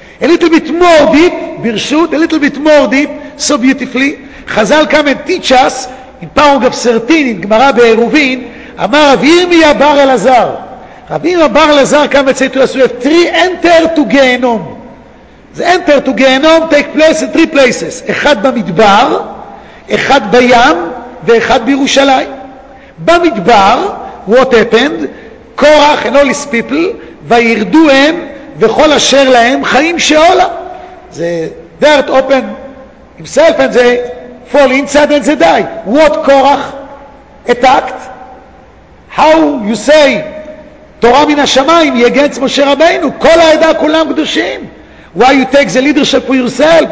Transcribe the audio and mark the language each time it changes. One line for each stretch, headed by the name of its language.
English: A little bit more deep, birshut, a little bit more deep, so beautifully. Chazal come and teach us in paragraph 13, in Gemara Be'eruvin,
Hebrew: אמר רב ירמיה בר אלעזר. רב ירמיה בר אלעזר קם וצא איתו לסובב,
English: three enter to Gehenom. The enter to Gehenom take place in three places.
Hebrew: אחד במדבר, אחד בים, ואחד בירושלים.
English: במדבר, what happened?
Hebrew: קורח
English: and all his people,
Hebrew: וירדו הם, וכל אשר להם, חיים שאולה.
English: The dirt open himself and they fall inside and they die. What Korach attacked? How you say
Hebrew: Torah min ha-shamayim
English: against Moshe Rabbeinu?
Hebrew: Kol ha-eda kulam kedushim.
English: Why you take the leadership for yourself?